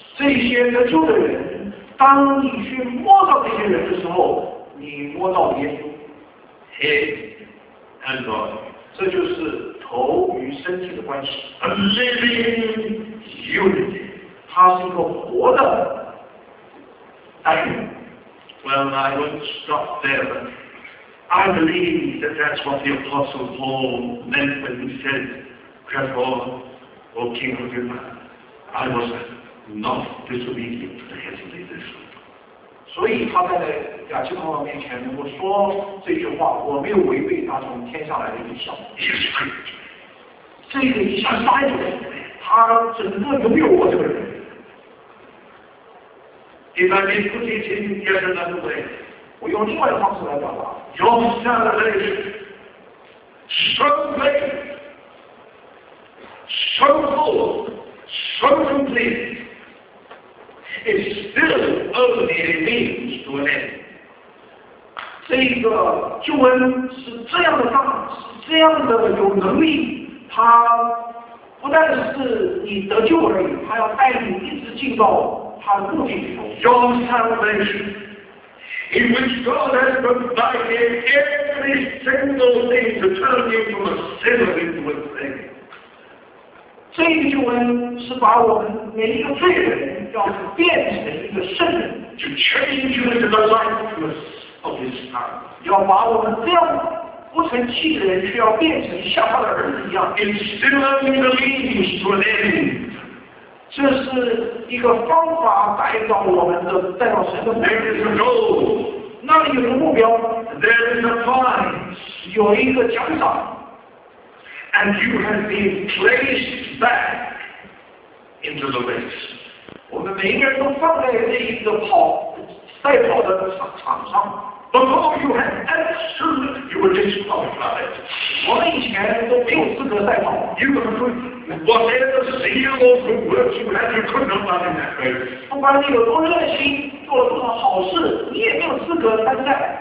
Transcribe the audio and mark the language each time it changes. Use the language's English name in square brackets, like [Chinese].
[Chinese] 这些得救的人，当你去摸到这些人的时候，你摸到耶稣。 [English] Head and body. [Chinese] 这就是头与身体的关系。 [English] A living unity. [Chinese] 他是一个活的单元。 [English] Well, I won't stop there, but I believe that that's what the Apostle Paul meant when he said, Therefore, O King Agrippa, I was not disobedient to the heavenly vision. [Chinese] 所以他在亚基帕面前能够说这句话，我没有违背他从天上来的意象。 [English] Yes, right. [Chinese] 这个意象是单元，他整个拥有我这个人。 [English] If I may put it in yet another way, [Chinese] 我用另外的方式来表达。 [English] Your salvation, so great, so full, so complete, is still only a means to an end. [Chinese] 这个救恩是这样的大，是这样的有能力，它不但是你得救而已，它要带你一直进到。 [English] Your salvation, in which God has provided every single thing to turn you from a sinner into a saint. [Chinese] 这一句文是把我们每一个罪人要变成一个圣人。 [English] To change you into the likeness of His Son. [Chinese] 要把我们这样不成器的人，却要变成像他的儿子一样。 [English] Instilling the means to an end. [Chinese] 这是一个方法带到我们的带到神的目 [English] 标。There is a goal. [Chinese] 那里有个目标。 [English] There is a prize. [Chinese] 有一个奖赏。 [English] And you have been placed back into the race. [Chinese] 我们每一个人都放在这一个赛跑的场上。 [English] Before you had absolute, you were disqualified. [Chinese] 我们以前都没有资格赛跑。 [English] You were good. Whatever zeal or good works you had, you could not run in that race. [Chinese] 不管你有多热心，做了多少好事，你也没有资格参赛。